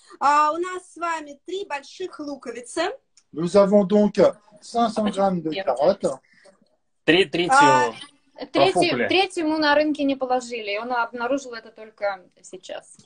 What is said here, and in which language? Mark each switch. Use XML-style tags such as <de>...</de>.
<ru>У нас с вами 3 больших луковицы.</ru> <fr>Nous avons donc 500 g de carottes. 3</fr> <ru>Третьему на рынке не положили. Он обнаружил это только сейчас.</ru>